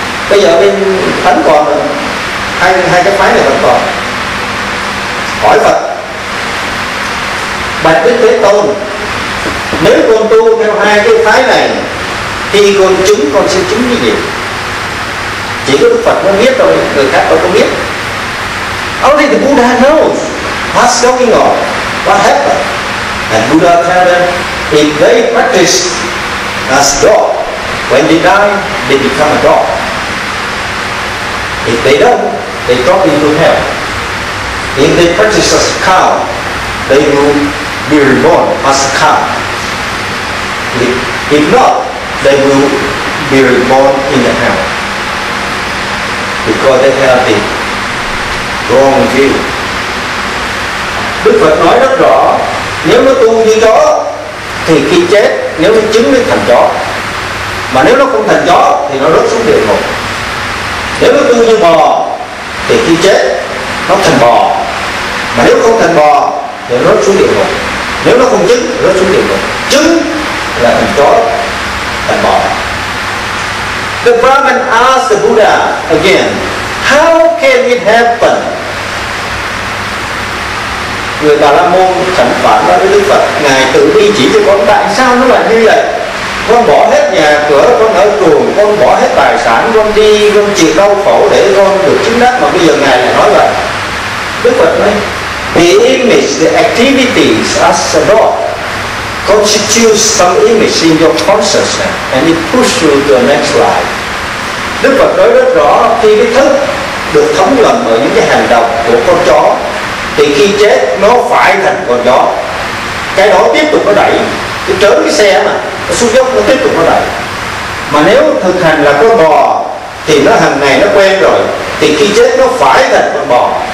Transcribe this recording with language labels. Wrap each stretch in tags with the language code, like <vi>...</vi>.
<vi>Bây giờ bên thánh còn hai cái phái này vẫn còn. Hỏi Phật: Bạch Đức Thế Tôn, nếu con tu theo hai cái phái này thì con sẽ chứng cái gì? Chỉ có Đức Phật mới biết thôi, người khác đâu có biết.</vi> <en>Only the Buddha knows what's going on, what happened. And Buddha tell them, if they practice as dog, when they die, they become a dog. If they don't, they drop into hell. If they practice as a cow, they will be reborn as a cow. If not, they will be reborn in the hell. Because they have the wrong view.</en> <vi>Đức Phật nói rất rõ, nếu nó tu như chó thì khi chết, nếu nó chứng nên thành chó. Mà nếu nó không thành chó thì nó rớt xuống địa ngục. Nếu nó tu như bò thì khi chết nó thành bò. Mà nếu không thành bò thì nó rớt xuống địa ngục. Nếu nó không chứng, nó rớt xuống địa ngục. Chứng là thành chó, thành bò.</vi> <en>The Brahmin asked the Buddha again, how can it happen?</en> <vi>Người Bà La Môn thẩm phán nói với Đức Phật, ngài tự đi chỉ cho con tại sao nó lại như vậy. Con bỏ hết nhà cửa, con ở chuồng, con bỏ hết tài sản, con đi, con chịu đau khổ để con được chứng đắc, mà bây giờ ngài lại nói vậy. Đức Phật nói,</vi> <en>the image, the activities as a dog constitutes some image in your consciousness and it pushes you to the next life.</en> <vi>Đức Phật nói rất rõ, khi cái thức được thấm nhuần ở những cái hành động của con chó thì khi chết nó phải thành con chó. Cái đó tiếp tục nó đẩy, cái trớn cái xe mà nó xuống dốc nó tiếp tục nó đẩy. Mà nếu thực hành là con bò thì nó hàng ngày nó quen rồi thì khi chết nó phải thành con bò.</vi>